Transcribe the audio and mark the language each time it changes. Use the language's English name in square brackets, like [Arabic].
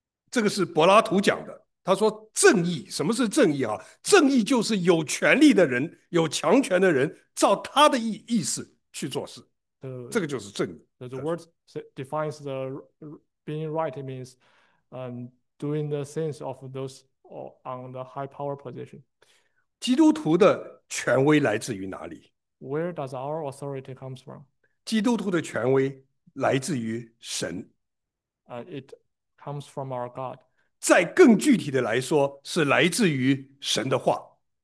[Chinese] 这个是柏拉图讲的，他说正义，什么是正义啊？正义就是有权力的人，有强权的人照他的意思去做事。这个就是正义。 [English] So the word defines the being right, it means doing the things of those or on the high power position. [Chinese] 基督徒的权威来自于哪里？ [English] Where does our authority come from? [Chinese] 基督徒的权威来自于神。 [English] It comes from our God. [Chinese] 再更具体的来说，是来自于神的话。